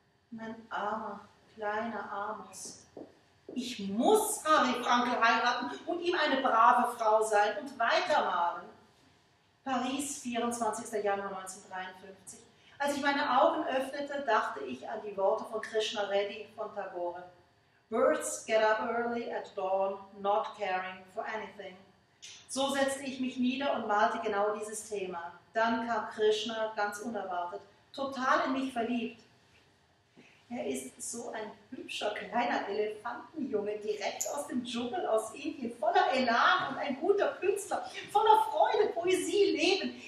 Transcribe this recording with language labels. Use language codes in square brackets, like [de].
[de] Mein armer, kleiner Amos. Ich muss Harry Frankel heiraten und ihm eine brave Frau sein und weitermalen. Paris, 24. Januar 1953. Als ich meine Augen öffnete, dachte ich an die Worte von Krishna Reddy von Tagore. [en] Birds get up early at dawn, not caring for anything. [de] So setzte ich mich nieder und malte genau dieses Thema. Dann kam Krishna ganz unerwartet, total in mich verliebt. Er ist so ein hübscher, kleiner Elefantenjunge, direkt aus dem Dschungel aus Indien, voller Elan und ein guter Künstler, voller Freude, Poesie, Leben.